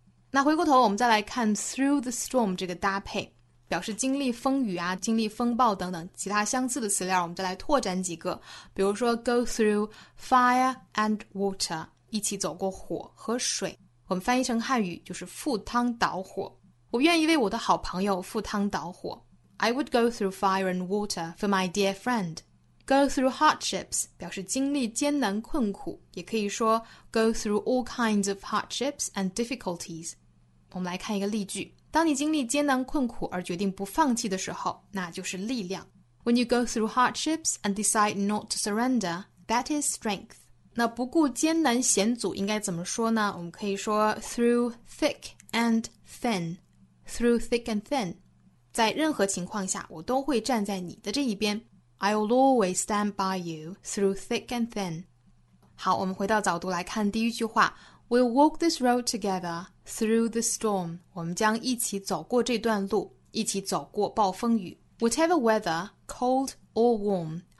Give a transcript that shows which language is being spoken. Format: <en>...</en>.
<zh>那回过头我们再来看 through the storm 这个搭配表示经历风雨啊经历风暴等等其他相似的词料我们再来拓展几个比如说 go through fire and water 一起走过火和水我们翻译成汉语就是赴汤蹈火我愿意为我的好朋友赴汤蹈火</zh> <en>I would go through fire and water for my dear friend. Go through hardships</en> <zh>表示经历艰难困苦，也可以说</zh> <en>go through all kinds of hardships and difficulties.</en> <zh>我们来看一个例句：当你经历艰难困苦而决定不放弃的时候，那就是力量。</zh> <en>When you go through hardships and decide not to surrender, that is strength.</en> <zh>那不顾艰难险阻应该怎么说呢？我们可以说</zh> <en>through thick and thin. Through thick and thin.</en> <zh>在任何情况下我都会站在你的这一边</zh> <en>I'll always stand by you through thick and thin</en> <zh>好我们回到早读来看第一句话</zh> <en>We'll walk this road together through the storm</en> <zh>我们将一起走过这段路一起走过暴风雨</zh> <en>Whatever weather, cold or warm</en>